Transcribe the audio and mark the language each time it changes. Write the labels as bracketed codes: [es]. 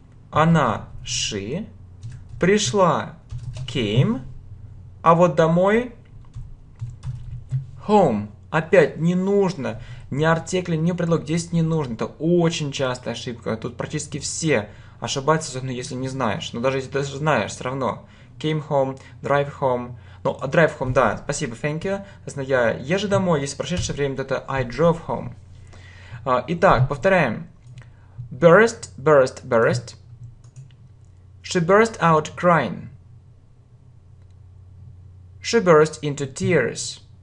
[ru] Она, she, пришла, came, а вот домой, home. Опять, не нужно ни артикль, ни предлог. Здесь не нужно. Это очень частая ошибка. Тут практически все ошибаются, особенно если не знаешь. Но даже если ты знаешь, все равно. [en] Came home, drive home. Ну, drive home, [ru] да, спасибо, [en] thank you. [ru] Соответственно, я езжу домой. Если прошедшее время, то это [en] I drove home. [ru] Итак, повторяем. [en] Burst, burst, burst. She burst out crying. She burst into tears.